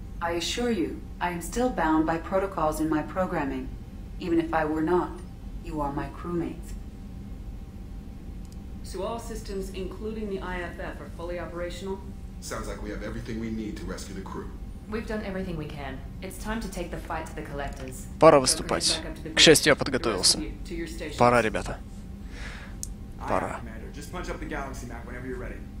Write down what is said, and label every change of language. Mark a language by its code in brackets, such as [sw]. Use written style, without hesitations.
[en] I assure you, I am still bound by protocols in my programming. Even if I were not, you are my crewmates. So all systems, including the IFF, are fully operational? Sounds like we have everything we need to rescue the crew. We've done everything we can. It's time to take the fight to the collectors. [ru] Пора выступать. К счастью, я подготовился. Пора, ребята. Пора. [en] Just punch up the galaxy map whenever you're ready.